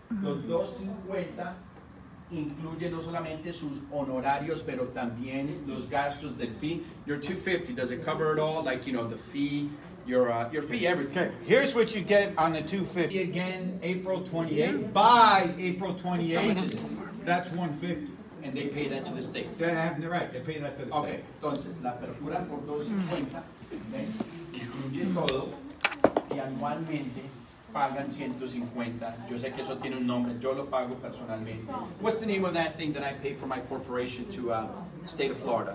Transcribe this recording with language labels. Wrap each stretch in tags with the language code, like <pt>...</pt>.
<es>Los 250 incluye no solamente sus honorarios, pero también los gastos del fee.</es> <en>Your 250, does it cover it all? Like, you know, the fee, your fee, everything. Okay, here's what you get on the 250. Again, April 28th. By April 28th, that's 150. And they pay that to the state. They have the right, they pay that to the state.</en> <es>Okay, entonces, la apertura por 250, okay, incluye todo, y anualmente pagan 150. Yo sé que eso tiene un nombre. Yo lo pago personalmente.</es> <en>What's the name of that thing that I pay for my corporation to state of Florida?</en>